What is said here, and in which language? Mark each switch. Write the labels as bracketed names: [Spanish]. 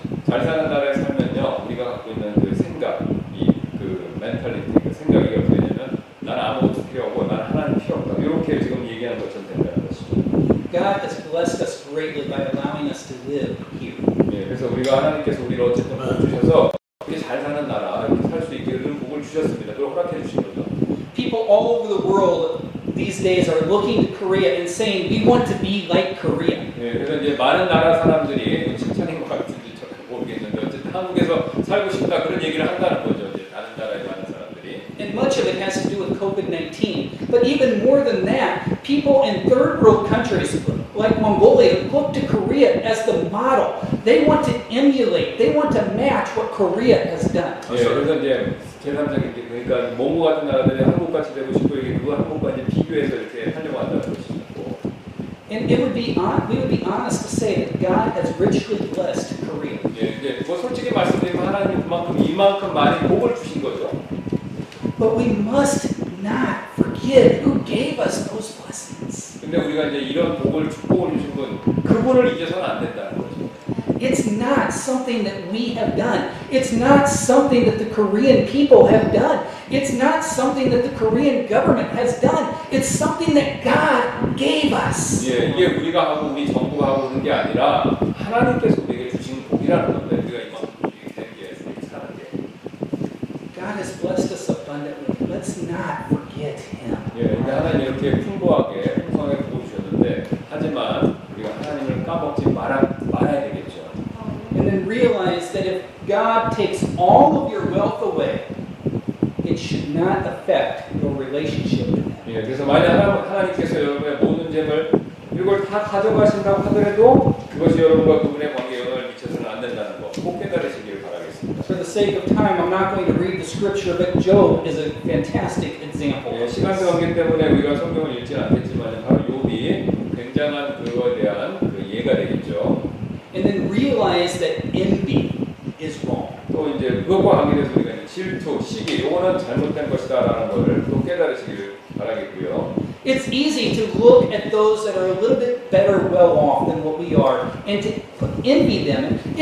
[Korean] 잘 사는 나라에 살면요, 우리가 갖고 있는 그 생각, 이 그 멘탈리티, 그 생각이 어떻게 되냐면, 난 아무것도 필요 없고, 난 하나님 필요 없다. 이렇게 지금 얘기하는 것처럼 된다는 것이죠. [English] God has blessed us greatly by allowing us to live here. [Korean] 예, 그래서 우리가 하나님께서 우리를 어쨌든 복을 주셔서, 우리 잘 사는 나라, 이렇게 살 수 있게 그런 복을 주셨습니다. 그걸 허락해 주신 거죠. [English] People all over the world these days are looking to Korea and saying, we want to be like Korea. [Korean] 예, 그래서 이제 많은 나라 사람들이 칭찬인 것 같은데, 한국에서 살고 싶다 그런 얘기를 한다는 거죠. 이제 다른 나라에 많은 사람들이. [English] And much of it has to do with COVID-19. But even more than that, people in third world countries like Mongolia look to Korea as the model They want to emulate, they want to match what Korea has done. [Korean] 그래서 이제 제3자기 그러니까 몽고 같은 나라들이 한국같이 되고 싶고 이게 누가 한국까지 비교해서 이렇게 하려고 한다는 것이고. [English] And it would be we would be honest to say that God has richly blessed Korea. [Korean] 예, 뭐 솔직히 말씀드리면 하나님 그만큼 이만큼 많이 복을 주신 거죠. [English] But we must not forget who gave us those blessings. [Korean] 근데 우리가 이제 이런 복을 축복을 주신 분 그분을 잊어서는 안 된다. [English] It's not something that we have done. It's not something that the Korean people have done. It's not something that the Korean government has done. It's something that God gave us. [Korean] 예, 이게 우리가 하고 우리 정부가 하고 있는 게 아니라 하나님께서 우리에게 주신 복이라는 건데 우리가 이만큼 이렇게 사는 게. [English] God has blessed us abundantly. Let's not forget Him. [Korean] 예, 하나님 이렇게 풍부하게 풍성하게 복을 주셨는데 하지만 우리가 하나님을 까먹지 말아야 되겠죠. [English] And then realize that if God takes all of your wealth away, it should not affect your relationship with Him. [Korean] 예, 그래서 만약 하나님께서 여러분의 모든 재물 이걸 다 가져가신다고 하더라도 그것이 여러분과 그분의 관계에 영향을 미쳐서는 안 된다는 거 꼭 깨달으시길 바라겠습니다. [English] For the sake of time, I'm not going to read the scripture, but Job is a fantastic example. [Korean] 예, 시간 관계 때문에 우리가 성경을 읽지 않겠지만 바로 욥이 굉장한 그거에 대한 그 예가 되겠죠. [English] And then realize that envy is wrong. [Korean] 또 이제 그것과 관계돼서 우리가 질투, 시기, 이거는 잘못된 것이다라는 것을 또 깨달으시길 바라겠고요. [English] It's easy to look at those that are a little bit better well off than what we are and to envy them.